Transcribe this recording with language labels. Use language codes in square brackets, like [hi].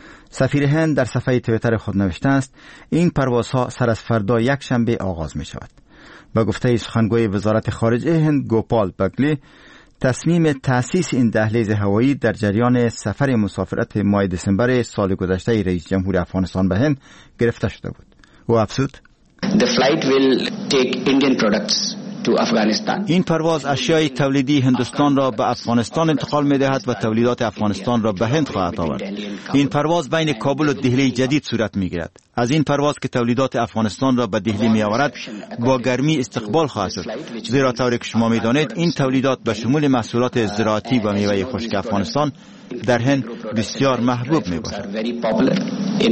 [fa] سفیر هند در صفحه تویتر خود نوشته است این پروازها سر از فردا یک شنبه آغاز می شود. به گفته سخنگوی وزارت خارجه هند گوپال بگلی، تصمیم تأسیس این دهلیز هوایی در جریان سفر مسافرت ماه دسامبر سال گذشته رئیس جمهور افغانستان به هند گرفته شده بود. او افزود [en] The flight will take Indian products to Afghanistan. [fa] این پرواز اشیای تولیدی هندوستان را به افغانستان انتقال می‌دهد و تولیدات افغانستان را به هند خواهد آورد. این پرواز بین کابل و دهلی جدید صورت می‌گیرد. از این پرواز که تولیدات افغانستان را به دهلی می‌آورد، با گرمی استقبال خواهد شد. زیرا طوری که شما می‌دانید، این تولیدات به شمول محصولات زراعتی و میوه خشک افغانستان در هند بسیار محبوب می‌باشد.